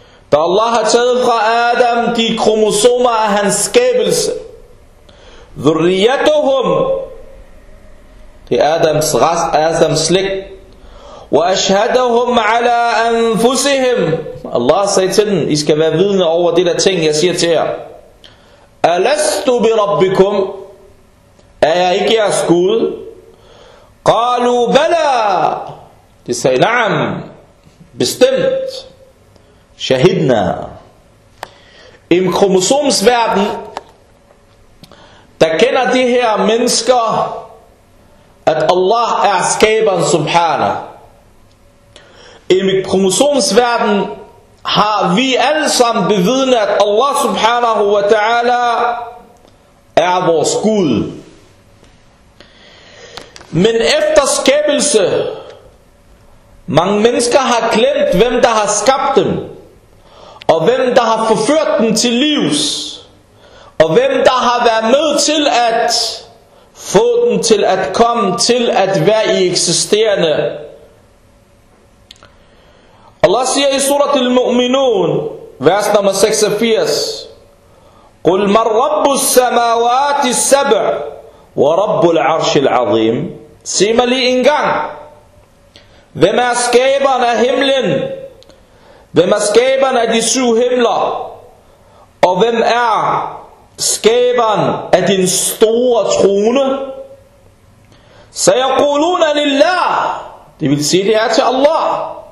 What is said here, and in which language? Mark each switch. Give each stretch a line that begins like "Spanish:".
Danish: Da Allah har taget fra Adam de kromosomer af hans skabelse, ذُرِّيَّتُهُمْ, det er Adams ras, Adams slægt,
Arabic: وَأَشْهَدَهُمْ عَلَىٰ أَنفُسِهِمْ.
Danish: Allah sagde til dem, I skal være vidne over det der ting, jeg siger til jer.
Arabic: أَلَسْتُ بِرَبِّكُمْ,
Danish: er jeg ikke jeres Gud?
Arabic: قَالُوا بَلَىٰ,
Danish: de sagde,
Arabic: نَعَمْ,
Danish: bestemt,
Arabic: شَهِدْنَا.
Danish: I kromosomsverden, der kender de her mennesker, at Allah er skaberen, subhana. I kromosomsverden har vi alle sammen bevidnet, at Allah subhanahu wa ta'ala er vores Gud. Men efter skabelse, mange mennesker har glemt, hvem der har skabt dem, og hvem der har forført dem til livs, og hvem der har været med til at få dem til at komme til at være i eksisterende. Allah siger i surat al-Mu'minun, vers nummer 86,
Arabic: قُلْ مَنْ رَبُّ السَّمَاوَاتِ السَّبْعِ وَرَبُّ الْعَرْشِ الْعَظِيمِ.
Danish: Sig mig lige en gang, hvem er skaberen af himlen, hvem er skaberen af de syv himler, og hvem er skaberen af din store trone?
Arabic: سَيَقُولُونَ لِلَّهِ,
Danish: det vil sige, det er til Allah.